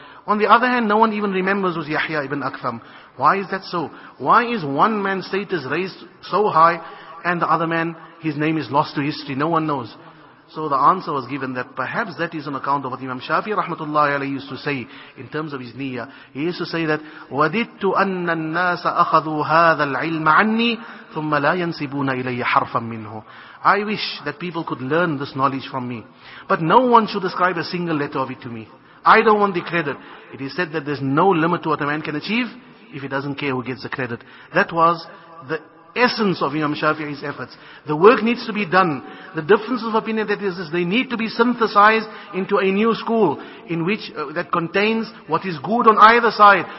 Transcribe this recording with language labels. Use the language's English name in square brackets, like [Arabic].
[English] On the other hand, no one even remembers was Yahya ibn Aktham. Why is that so? Why is one man's status raised so high and the other man, his name is lost to history? No one knows. So the answer was given that perhaps that is on account of what Imam Shafi rahmatullahi alayhi used to say in terms of his niyyah. He used to say that, [Arabic] وَدِدْتُ أَنَّ النَّاسَ أَخَذُوا هَذَا الْعِلْمَ عَنِّي ثُمَّ لَا يَنْسِبُونَ إِلَيَّ حَرْفًا مِّنْهُ. [English] I wish that people could learn this knowledge from me. But no one should ascribe a single letter of it to me. I don't want the credit. It is said that there's no limit to what a man can achieve if he doesn't care who gets the credit. That was the essence of Imam Shafi'i's efforts. The work needs to be done. The differences of opinion that is, they need to be synthesized into a new school in which that contains what is good on either side.